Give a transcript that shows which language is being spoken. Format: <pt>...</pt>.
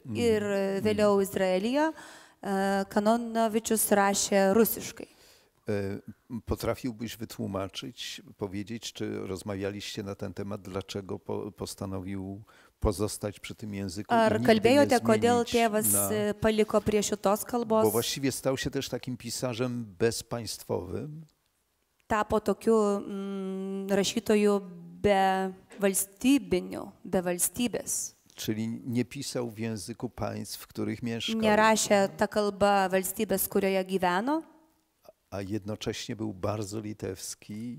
<lt>Ir vėliau Izraelija, Kanonovičius rašė rusiškai.</lt> <pl>Potrafiłbyś wytłumaczyć, powiedzieć, czy rozmawialiście na ten temat, dlaczego postanowił pozostać przy tym języku?</pl> <lt>Ar kalbėjote, kodėl tėvas paliko prie šitos kalbos?</lt> <pl>Bo właściwie stał się też takim pisarzem bezpaństwowym.</pl> <lt>Tapo tokiu rašytoju be valstybiniu, be valstybės.</lt> <pl>Czyli nie pisał w języku państw, w których mieszkał. Nie</pl> <lt>rašė ta kalba valstybės, kurioje gyveno.</lt> <pl>A jednocześnie był bardzo litewski.</pl>